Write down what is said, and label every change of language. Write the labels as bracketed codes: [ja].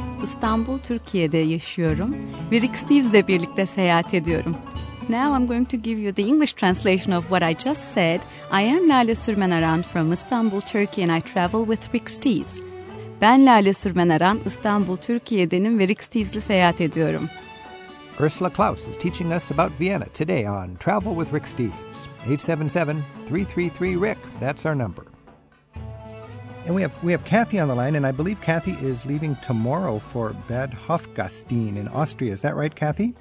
[tr] İstanbul, Türkiye'de yaşıyorum ve Rick Steves'le birlikte seyahat ediyorum. [en] Now I'm going to give you the English translation of what I just said. I am Lale Sürmen Aran from Istanbul, Turkey and I travel with Rick Steves. [tr] Ben Lale Sürmen Aran, İstanbul, Türkiye'denim ve Rick Steves'le seyahat ediyorum. [en] Ursula Klaus is teaching us about Vienna today on Travel with Rick Steves. 877-333-RICK, that's our number. And we have Kathy on the line, and I believe Kathy is leaving tomorrow for Bad Hofgastein in Austria. Is that right, Kathy?